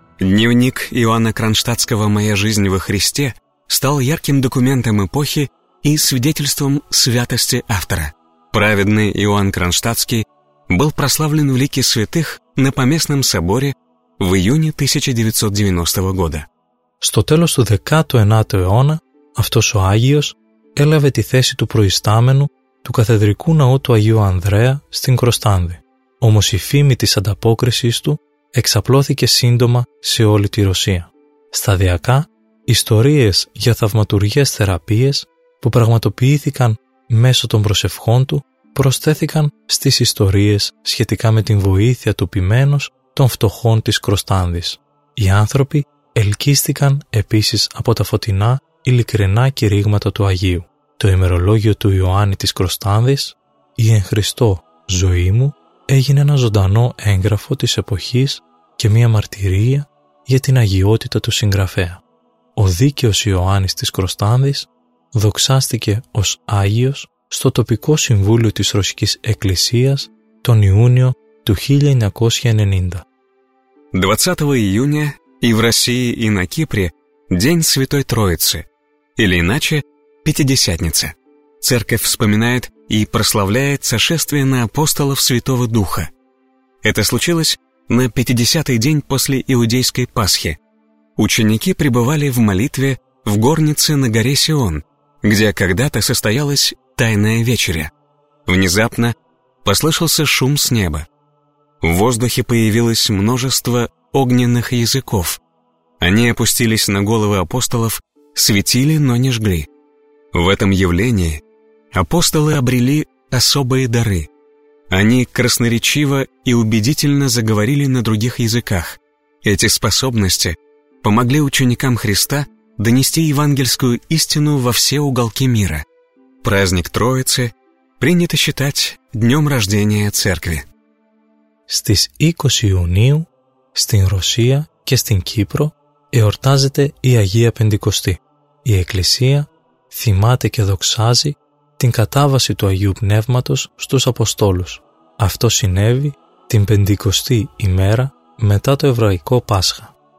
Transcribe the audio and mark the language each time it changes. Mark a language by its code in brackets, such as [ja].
[ru] Дневник Иоанна Кронштадтского «Моя жизнь во Христе» стал ярким документом эпохи и свидетельством святости автора. Праведный Иоанн Кронштадтский был прославлен в лике святых на Поместном соборе в июне 1990 года. [el] Στο τέλος του 19ου αιώνα, αυτός ο Άγιος έλαβε τη θέση του προϊστάμενου του καθεδρικού ναού του Αγίου Ανδρέα στην Κροστάνδη. Όμως η φήμη της ανταπόκρισης του εξαπλώθηκε σύντομα σε όλη τη Ρωσία. Σταδιακά, ιστορίες για θαυματουργές θεραπείες που πραγματοποιήθηκαν μέσω των προσευχών του προσθέθηκαν στις ιστορίες σχετικά με την βοήθεια του ποιμένος των φτωχών της Κροστάνδης. Οι άνθρωποι ελκύστηκαν επίσης από τα φωτεινά, ειλικρινά κηρύγματα του Αγίου. Το ημερολόγιο του Ιωάννη της Κροστάνδης, «Η εν Χριστώ ζωή μου», έγινε ένα ζωντανό έγγραφο της εποχής και μία μαρτυρία για την αγιότητα του συγγραφέα. Ο δίκαιος Ιωάννης της Κροστάνδης δοξάστηκε ως Άγιος στο τοπικό συμβούλιο της Ρωσικής Εκκλησίας τον Ιούνιο του 1990. 20 Ιούνια [ru] и в России, и на Кипре День Святой Троицы, или иначе Пятидесятница. Церковь вспоминает и прославляет сошествие на апостолов Святого Духа. Это случилось на 50-й день после Иудейской Пасхи. Ученики пребывали в молитве в горнице на горе Сион, где когда-то состоялась Тайная Вечеря. Внезапно послышался шум с неба. В воздухе появилось множество огненных языков. Они опустились на головы апостолов, светили, но не жгли. В этом явлении апостолы обрели особые дары. Они красноречиво и убедительно заговорили на других языках. Эти способности помогли ученикам Христа донести евангельскую истину во все уголки мира. Праздник Троицы принято считать днем рождения Церкви. [el] Στις 20 Ιουνίου στην Ρωσία και στην Κύπρο εορτάζεται η Αγία Πεντηκοστή. Η Εκκλησία θυμάται και δοξάζει την κατάβαση του Αγίου Πνεύματος στους Αποστόλους. Αυτό συνέβη την Πεντηκοστή ημέρα μετά το Εβραϊκό Πάσχα.